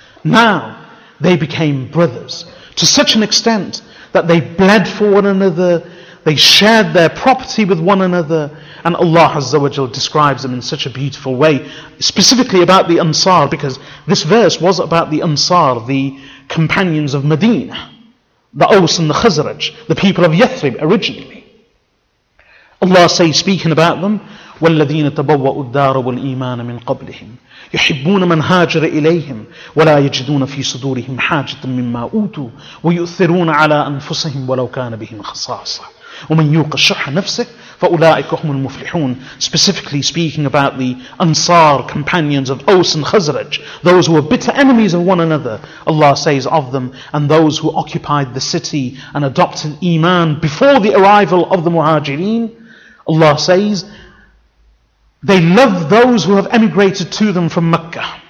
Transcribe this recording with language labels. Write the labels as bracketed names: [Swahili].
[English] Now, they became brothers to such an extent that they bled for one another, they shared their property with one another, and Allah Azza wa Jalla describes them in such a beautiful way, specifically about the Ansar, because this verse was about the Ansar, the companions of Medina, the Aws and the Khazraj, the people of Yathrib originally. Allah says, speaking about them, [Arabic] والذين تبوأوا الدار والإيمان من قبلهم يحبون من هاجر إليهم ولا يجدون في صدورهم حاجة مما أوتوا ويؤثرون على أنفسهم ولو كان بهم خصاصة ومن يوق شح نفسه فأولئك هم المفلحون. [English] Specifically speaking about the Ansar companions of Aus and Khazraj, those who were bitter enemies of one another, Allah says of them, and those who occupied the city and adopted Iman before the arrival of the Muhajireen, Allah says, they love those who have emigrated to them from Mecca.